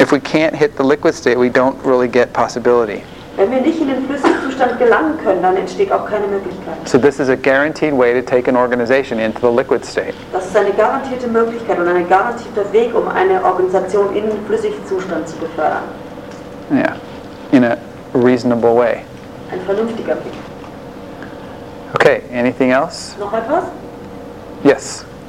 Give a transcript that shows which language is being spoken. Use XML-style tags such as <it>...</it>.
<en>If we can't hit the liquid state, we don't really get possibility.</en> <de>Wenn wir nicht in den Flüssigzustand gelangen können, dann entsteht auch keine Möglichkeit.</de> <en>So this is a guaranteed way to take an organization into the liquid state.</en> <de>Das ist eine garantierte Möglichkeit und ein garantierter Weg, um eine Organisation in den Flüssigzustand zu befördern.</de> <en>Yeah, in a reasonable way.</en> <de>Ein vernünftiger Weg.</de> <en>Okay, anything else?</en> <de>Noch etwas?</de> <en>Yes.</en>